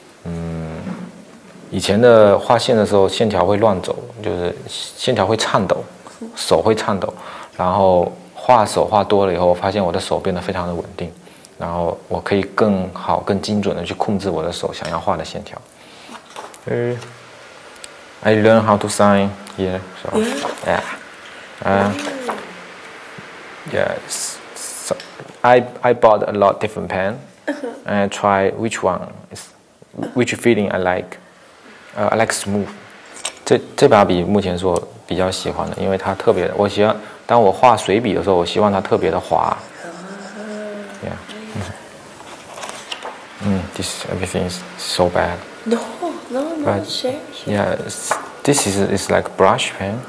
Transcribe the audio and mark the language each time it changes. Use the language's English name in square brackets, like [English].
[Chinese] 嗯，以前的画线的时候，线条会乱走，就是线条会颤抖，手会颤抖。然后画手画多了以后，我发现我的手变得非常的稳定。然后我可以更好更精准的去控制我的手想要画的线条。 [English] I learn how to sign here, so, yeah. Yes, so, I bought a lot of different pen and I try which one is, which feeling I like. I like smooth. [Chinese] 这把笔目前是我比较喜欢的，因为它特别的，我喜欢当我画水笔的时候，我希望它特别的滑。 [English] This everything is so bad. No, change. Yeah, this is like brush pen.